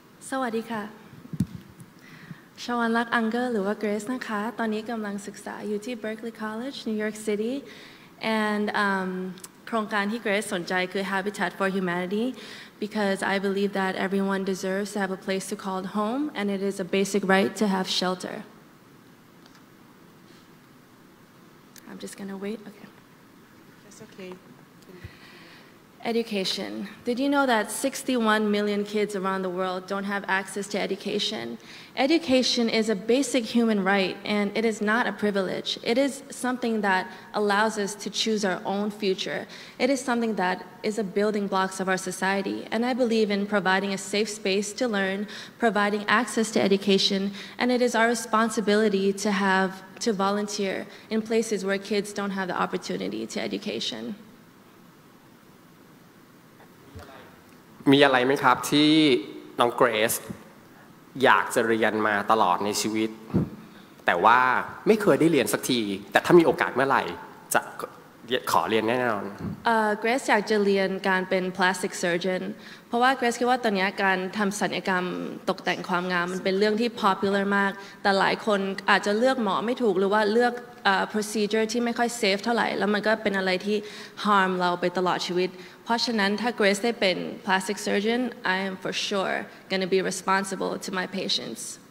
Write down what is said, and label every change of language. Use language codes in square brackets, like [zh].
[th] สวัสดีค่ะชวันลักษ์อังเกอร์หรือว่าเกรซนะคะตอนนี้กำลังศึกษาอยู่ที่ [en] Berklee College New York City and [th] โครงการที่เกรซสนใจคือ [en] Habitat for Humanity because I believe that everyone deserves to have a place to call home and it is a basic right to have shelterI'm just gonna wait. Okay. That's okay. Education. Did you know that 61 million kids around the world don't have access to education? Education is a basic human right, and it is not a privilege. It is something that allows us to choose our own future. It is something that is a building block of our society. And I believe in providing a safe space to learn, providing access to education, and it is our responsibility to have. To volunteer in places where kids don't have the opportunity to education. [th] มีอะไรไหมครับที่น้องเกรซอยากจะเรียนมาตลอดในชีวิตแต่ว่าไม่เคยได้เรียนสักทีแต่ถ้ามีโอกาสเมื่อไหร่จะขอเรียนแน่นอน Grace อยากจะเรียนการเป็น plastic surgeon เพราะว่า Grace คิดว่าตอนนี้การทำศัลยกรรมตกแต่งความงามมันเป็นเรื่องที่ popular มากแต่หลายคนอาจจะเลือกหมอไม่ถูกหรือว่าเลือก procedure ที่ไม่ค่อย safe เท่าไหร่แล้วมันก็เป็นอะไรที่ harm เราไปตลอดชีวิตเพราะฉะนั้นถ้า Grace ได้เป็น plastic surgeon [en] I am for sure gonna be responsible to my patients